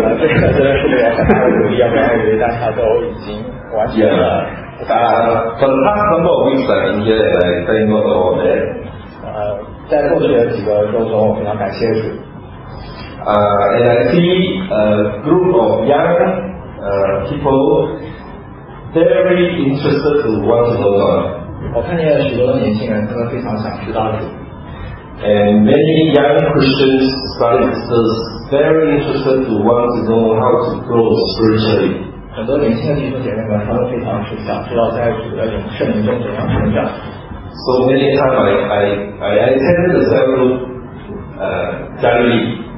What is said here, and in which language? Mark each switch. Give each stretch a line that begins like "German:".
Chinese: 对，真的是不一样，因为大家都已经完结了。
English: For the past number of weeks, I've been here and I thank God for that.
Chinese: 在过去的几个周中，我非常感谢主。
English: And I see a group of young people very interested to want to know God.
Chinese: 我看见许多年轻人真的非常想知道主。
English: And many young Christians started very interested to want to know how to grow spiritually.
Chinese: 很多年轻的弟兄姐妹们，他们非常是想知道在主的圣灵中怎样成长。
English: So many times I attended the several Galilee.